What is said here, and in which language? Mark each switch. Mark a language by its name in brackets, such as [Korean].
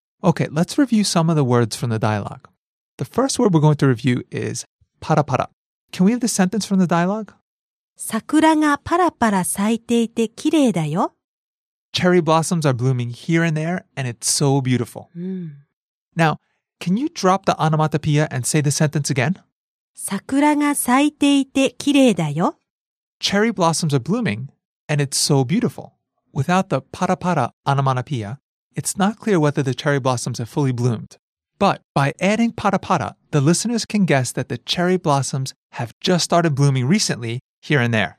[English] Okay, let's review some of the words from the dialogue. The first word we're going to review is parapara. Can we have the sentence from the dialogue? [Japanese] 桜がパラパラ咲いていて綺麗だよ. [English] Cherry blossoms are blooming here and there, and it's so beautiful. Now, can you drop the onomatopoeia and say the sentence again? [Japanese] 桜が咲いていて綺麗だよ. [English] Cherry blossoms are blooming, and it's so beautiful. Without the parapara onomatopoeia, it's not clear whether the cherry blossoms have fully bloomed. But by adding parapara, the listeners can guess that the cherry blossoms have just started blooming recently here and there.